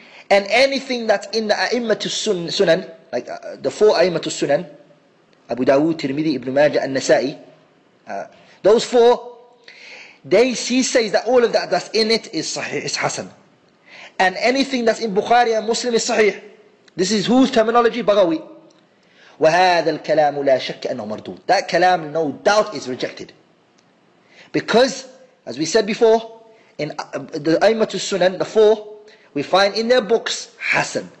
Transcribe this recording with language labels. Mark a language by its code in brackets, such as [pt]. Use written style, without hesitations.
[en] And anything that's in the A'immat al-Sunan, like the four A'immat al-Sunan, Abu Dawood, Tirmidhi, Ibn Majah, and Nasa'i, those four, he says that all of that that's in it is Sahih, is Hasan. And anything that's in Bukhari and Muslim is Sahih. This is whose terminology? Baghawi. [ar] وهذا الكلام لا شك أنه مردود. [en] That kalam, no doubt, is rejected. Because, as we said before, in the Aimat al-Sunan, the four, we find in their books, Hassan.